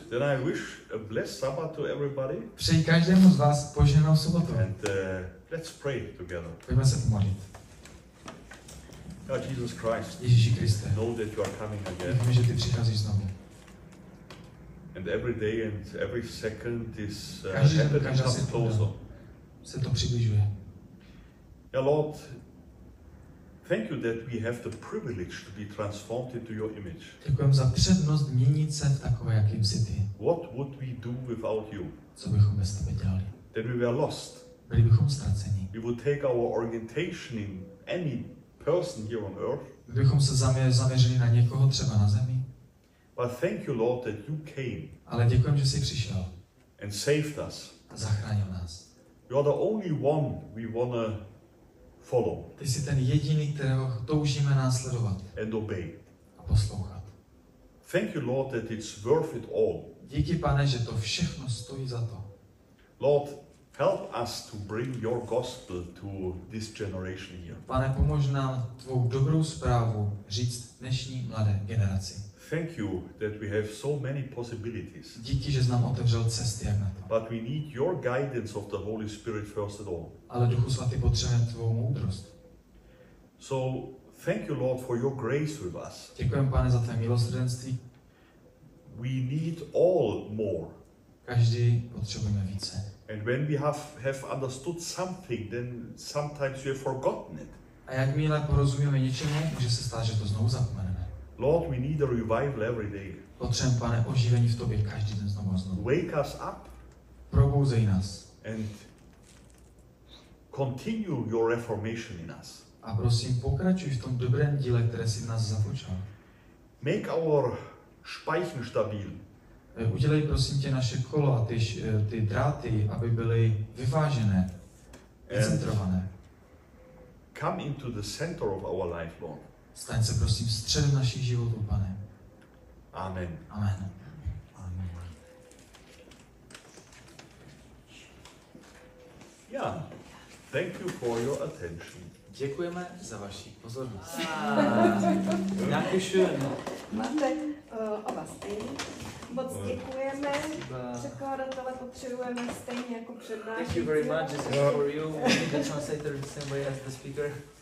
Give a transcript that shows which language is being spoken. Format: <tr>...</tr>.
<en>Then I wish a blessed Sabbath to everybody.</en> <cs>Přeji každému z vás požehnanou sobotu.</cs> <en>And let's pray together.</en> <cs>Pojďme se pomodlit.</cs> <en>God, Jesus Christ,</en> <cs>Ježíši Kriste,</cs> <en>know that you are coming again. Víme, že ty přicházíš znovu. And every day and every second is happening closer.</en> <cs>Se to přibližuje.</cs> <en>Yeah, Lord, thank you that we have the privilege to be transformed into your image.</en> <cs>Děkujeme za přednost měnit se v takové, jakým jsi ty.</cs> <en>What would we do without you?</en> <cs>Co bychom bez tebe dělali?</cs> <en>Then we were lost.</en> <cs>Byli bychom ztraceni.</cs> <en>We would take our orientation in any person here on earth.</en> <cs>Kdybychom se zaměřili na někoho třeba na zemi.</cs> <en>But thank you, Lord, that you came.</en> <cs>Ale děkujeme, že jsi přišel.</cs> <en>And saved us.</en> <cs>A zachránil nás.</cs> <en>You are the only one we wanna follow.</en> <cs>Ty jsi ten jediný, kterého toužíme následovat.</cs> <en>And obey.</en> <cs>A poslouchat.</cs> <en>Thank you, Lord, that it's worth it all.</en> <cs>Díky, Pane, že to všechno stojí za to.</cs> <en>Lord, help us to bring your gospel to this generation here.</en> <cs>Pane, pomož nám tvou dobrou zprávu říct dnešní mladé generaci.</cs> <en>Thank you that we have so many possibilities.</en> <cs>Díky, že jsi nám otevřel cesty jak na to.</cs> <en>But we need your guidance of the Holy Spirit first of all.</en> <cs>Ale Duchu Svatý potřebujeme tvou moudrost.</cs> <en>So thank you, Lord, for your grace with us.</en> <cs>Děkujeme, Pane, za tvé milosrdenství.</cs> <en>We need all more.</en> <cs>Každý potřebujeme více.</cs> <en>And when we have understood something, then sometimes we have forgotten it.</en> <cs>A jakmile porozumíme něčemu, může se stát, že to znovu zapomeneme.</cs> <en>Lord, we need a revival every day.</en> <cs>Potřebujeme, Pane, oživení v tobě každý den znovu a znovu.</cs> <en>Wake us up.</en> <cs>Probouzej nás.</cs> <en>And continue your reformation in us.</en> <cs>A prosím, pokračuj v tom dobrém díle, které jsi v nás započal.</cs> <en>Make our</en> <de>speichen stabil.</de> <cs>Udělej, prosím tě, naše kolo a ty dráty, aby byly vyvážené, vycentrované.</cs> <en>Come into the center of our life, Lord.</en> <cs>Staň se, prosím, středem našich životů, Pane. Amen. Amen. Amen.</cs> <en>Yeah. Thank you for your attention.</en> <cs>Děkujeme za vaši pozornost. Děkujeme. Máte oba stejný. Moc děkujeme. Překladatele potřebujeme stejně jako přednášející.</cs> <en>Thank you very much. This is for you. You can translate the same way as the speaker.</en>